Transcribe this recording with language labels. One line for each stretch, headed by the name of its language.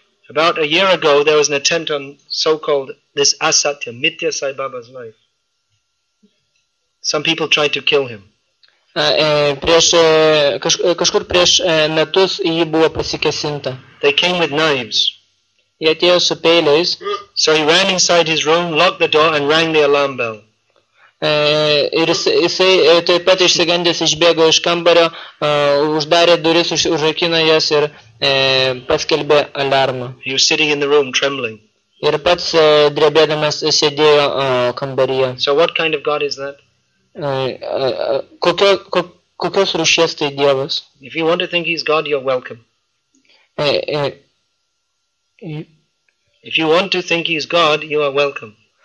English: About a year ago, there was an attempt on so-called this Asatya, Mitya Sai Baba's life. Some people tried to kill him.
Lithuanian: Kažkur prieš metus jį buvo pasikesinta.
English: They came with knives.
Lithuanian: Jie atėjo su peiliais.
English: So he ran inside his room, locked the door and rang the alarm bell.
Lithuanian: Ir jisai taip pat išsigandęs išbėgo iš kambario, uždarė duris, užrakino jas ir paskelbė alarmą.
English: He was sitting in the room trembling.
Lithuanian: Ir pats drebėdamas sėdėjo kambaryje.
English: So what kind of God is that?
Lithuanian: Kokios rūšies tai Dievas?
English: If you want to think he's God, you're welcome. If you want to think he's God, you are welcome.